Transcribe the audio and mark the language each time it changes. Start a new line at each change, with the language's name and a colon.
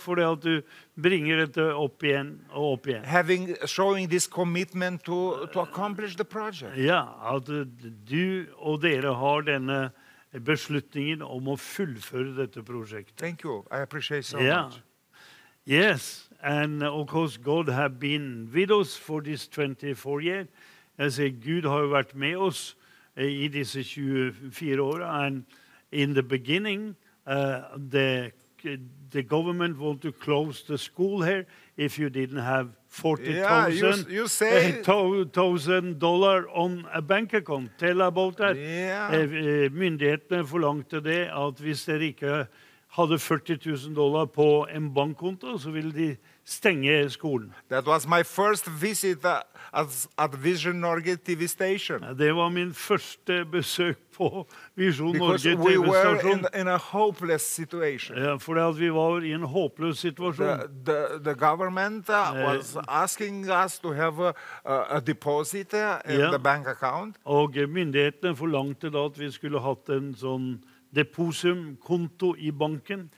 Norwegian: for det at du bringer dette opp igjen og opp igjen.
English: Having showing this commitment to accomplish the project.
Norwegian: Ja, at du og dere har denne beslutningen om å fullføre dette prosjektet.
English: Thank you. I appreciate so much. Yes. And of course, God has been with us for these 24 years. I say,
Norwegian: Gud har vært med oss I disse 24 år.
English: And in the beginning, the government wanted to close the school here if you didn't have $40,000 on a bank account. Tell about that. Yeah.
Norwegian: Myndighetene forlangte det at hvis dere ikke hadde $40,000 på en bankkonto, så ville de stenge skolen.
English: That was my first visit at Vision Norge TV station.
Norwegian: Det var min første besøk på Vision Norge TV station.
English: Because we were in a hopeless situation.
Norwegian: Ja, for at vi var I en håpløs situasjon.
English: The government was asking us to have a deposit in the bank account.
Norwegian: Og myndighetene forlangte da at vi skulle hatt en sånn depositumkonto I banken.